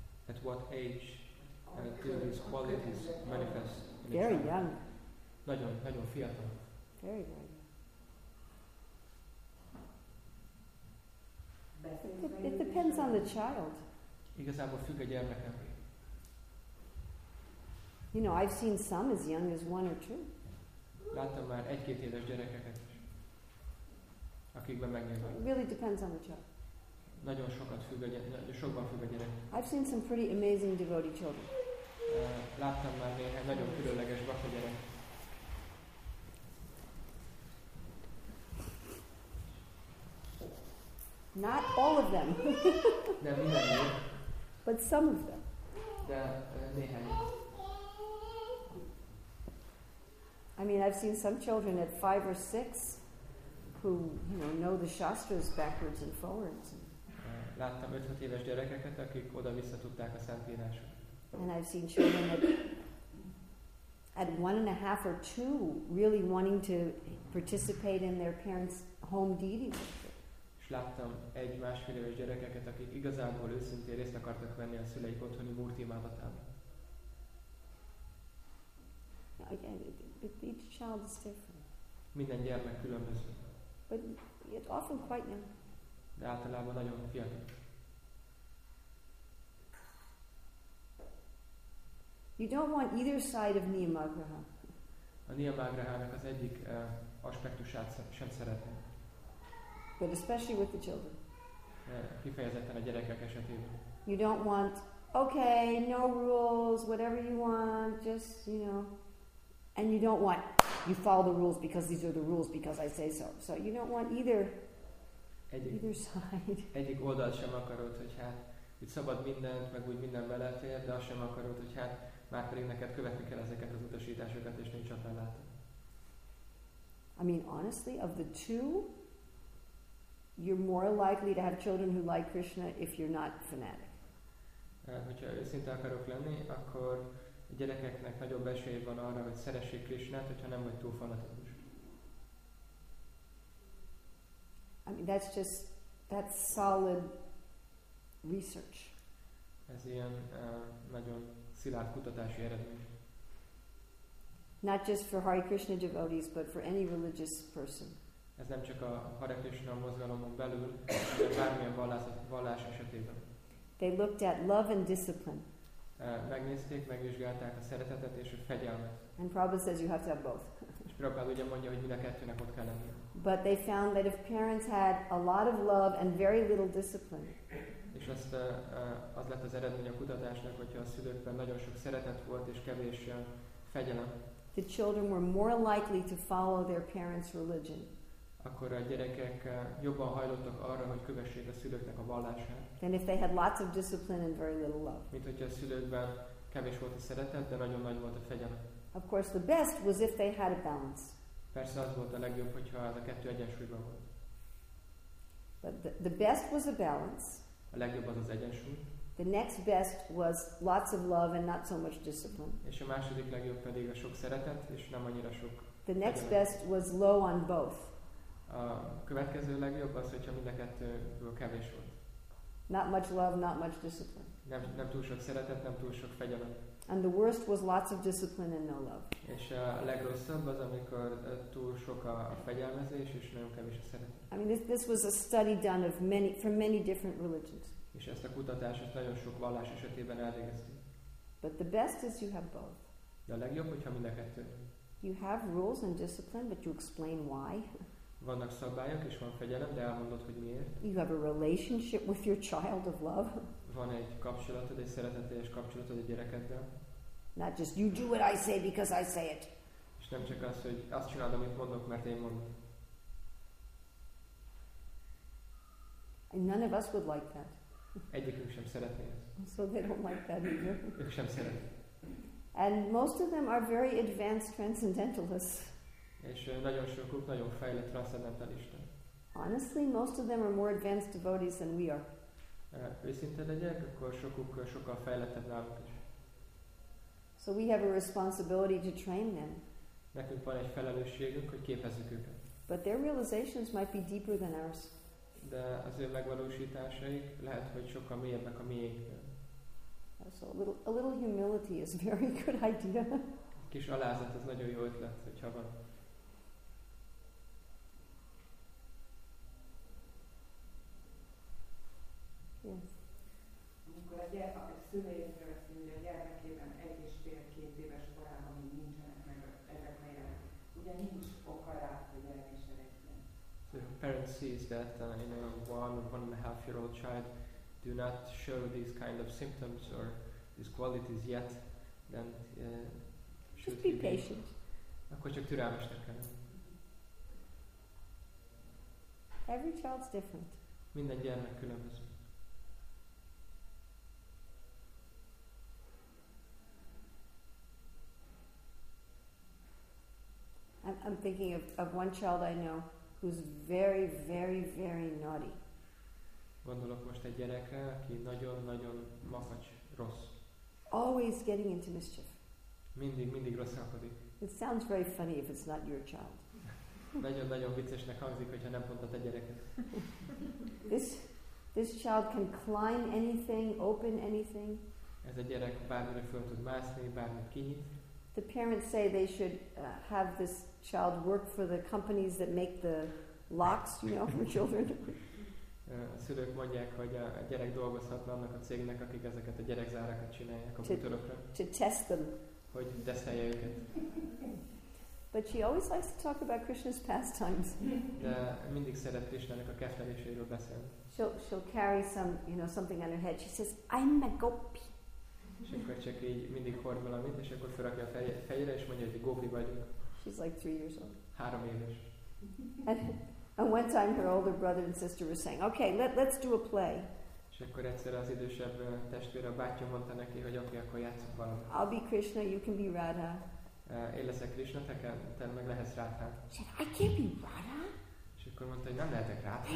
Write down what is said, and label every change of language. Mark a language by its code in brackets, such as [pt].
[en] At what age do these qualities manifest? Very young. [hu] Nagyon, nagyon fiatal. [en] Very young. It depends on the child. [hu] Igazából függ a gyermeken. [en] You know, I've seen some as young as one or two. [hu] Láttam már egy-két éves gyerekeket is, akikben megnyilván. [en] It really depends on the child. [hu] Nagyon sokat függ a gyerek, sokban függ a gyerek. [en] I've seen some pretty amazing devotee children. [hu] Láttam már néhány nagyon különleges bakta gyerek. [en] Not all of them. [hu] Nem mindenki. [en] But some of them. [hu] De néhány. [en] I mean, I've seen some children at 5 or 6 who, you know the Shastras backwards and forwards. [hu] Láttam 5-6 éves gyerekeket, akik oda-vissza tudták a szentírásokat. [en] And I've seen children at 1.5 or 2 really wanting to participate in their parents' home deity. [hu] És láttam egy másfél éves gyerekeket, akik igazából őszintén részt akartak venni a szüleik otthoni murti imádatában. [en] But each child is different. [hu] Minden gyermek különböző. [en] But yet often quite young. [hu] De általában nagyon fiatal. [en] You don't want either side of Niyamagraha. [hu] A Niyamagrahának az egyik aspektusát sem szeretném. [en] But especially with the children. [hu] Kifejezetten a gyerekek esetében. [en] You don't want, okay, no rules, whatever you want, just, you know. And you don't want, you follow the rules because these are the rules because I say so. So you don't want either side. [hu] Egyik oldal sem akarod, hogy hát, itt szabad mindent, meg úgy minden belefér, de azt sem akarod, hogy hát, már pedig neked követni kell ezeket az utasításokat, és nincs ellenállás. [en] I mean, honestly, of the two, you're more likely to have children who like Krishna if you're not fanatic. [hu] Hogyha őszinte akarok lenni, akkor a gyerekeknek nagyobb esély van arra, hogy szeressék Krishnát, hogyha nem vagy túl fanatikus. [en] I mean, that's solid research. [hu] Ez ilyen nagyon szilárd kutatási eredmény. [en] Not just for Hare Krishna devotees, but for any religious person. [hu] Ez nem csak a Hare Krishna mozgalomon belül, de bármilyen vallás esetében. [en] They looked at love and discipline. [hu] Megnézték, megvizsgálták a szeretetet és a fegyelmet. [en] And Prabhupada says you have to have both. [hu] És Prabhupada ugye mondja, hogy mind a kettőnek ott kell lennie. [en] But they found that if parents had a lot of love and very little discipline. [hu] És ezt az lett az eredmény a kutatásnak, hogyha a szülőkben nagyon sok szeretet volt és kevés fegyelem. [en] The children were more likely to follow their parents' religion. [hu] Akkor a gyerekek jobban hajlottak arra, hogy kövessék a szülőknek a vallását. [en] Then if they had lots of discipline and very little love. [hu] Mint hogyha a szülőkben kevés volt a szeretet, de nagyon nagy volt a fegyelem. [en] Of course the best was if they had a balance. [hu] Persze az volt a legjobb, hogyha ez a kettő egyensúlyban volt. [en] But the best was a balance. [hu] A legjobb az az egyensúly. [en] The next best was lots of love and not so much discipline. [hu] És a második legjobb pedig a sok szeretet és nem annyira sok. [en] The next best was low on both. [hu] A következő legjobb az, hogyha mind a kettőből kevés volt. [en] Not much love, not much discipline. [hu] Nem túl sok szeretet, nem túl sok fegyelem. [en] And the worst was lots of discipline and no love. [hu] És a legrosszabb az, amikor túl sok a fegyelmezés és nagyon kevés a szeretet. [en] I mean, this was a study done of many from many different religions. [hu] És ezt a kutatást nagyon sok vallás esetében elvégezték. [en] But the best is you have both. [hu] De a legjobb, hogyha mind a kettő. [en] You have rules and discipline, but you explain why. [hu] Vannak szabályok és van fegyelem, de elmondod, hogy miért. [en] You have a relationship with your child of love. [hu] Van egy kapcsolatod, egy szeretetteljes kapcsolatod a gyerekeddel. [en] Not just you do what I say because I say it. [hu] És nem csak az, hogy azt csinálod, amit mondok, mert én mondom. [en] And none of us would like that. [hu] Egyikünk sem szeretné ezt. [en] So they don't like that either. [hu] Ők sem szeretik. [en] And most of them are very advanced transcendentalists. [hu] És nagyon sokuk nagyon fejlett transzendentalista. [en] Honestly, most of them are more advanced devotees than we are. [hu] Őszinte legyek, akkor sokuk sokkal fejlettebb nálunk is. [en] So we have a responsibility to train them. [hu] Nekünk van egy felelősségünk, hogy képezzük őket. [en] But their realizations might be deeper than ours. [hu] De az ő megvalósításaik lehet, hogy sokkal mélyebbek a miénk. [en] So a little humility is a very good idea. [hu] Kis alázat, ez nagyon jó ötlet, hogyha van. Amikor a gyermek szüleiről beszélünk, hogy a gyermekében egy és fél két éves korában még nincsenek meg ezek a jelek, ugye nincs oka rá, hogy gyerek is eredjen. [en] So your parents see that in a one and a half year old child do not show these kind of symptoms or these qualities yet, then should just be patient. [hu] Akkor csak türelmesnek kell. [en] Every child's different. [hu] Minden gyermek különböző. [en] I'm thinking of one child I know who's very, very, very naughty. [hu] Gondolok most egy gyerekre, aki nagyon, nagyon makacs, rossz. [en] Always getting into mischief. [hu] Mindig rosszalkodik. [en] It sounds very funny if it's not your child. [hu] Nagyon, nagyon viccesnek hangzik, hogyha nem pont a te gyereket. [en] This child can climb anything, open anything. [hu] Ez a gyerek bármire föl tud mászni, bármit kinyit. [en] The parents say they should have this child work for the companies that make the locks, you know, for children. [hu] A szülők mondják, hogy a gyerek dolgozhatna annak a cégnek, akik ezeket a gyerekzárakat csinálják a kompjútorokra. [en] To test them. [hu] Hogy teszelje őket. [en] But she always likes to talk about Krishna's pastimes. [hu] De mindig szeret Krishnának a kefteléséről beszélni. [en] She'll carry some, you know, something on her head. She says, I'm a gopi. [hu] És akkor csak így mindig hord valamit, és akkor felrakja a fejére, és mondja, hogy gopi vagyok. [en] She's like 3 years old. [hu] 3 éves. [en] And one time her older brother and sister were saying, okay, let's do a play. [hu] És akkor egyszer az idősebb testvére, a bátyja mondta neki, hogy oké, akkor játsszuk valamit. [en] I'll be Krishna, you can be Radha. [hu] Én leszek Krishna, te meg lehetsz Radha. [en] She said, I can't be Radha. [hu] És akkor mondta, hogy nem lehetek Radha.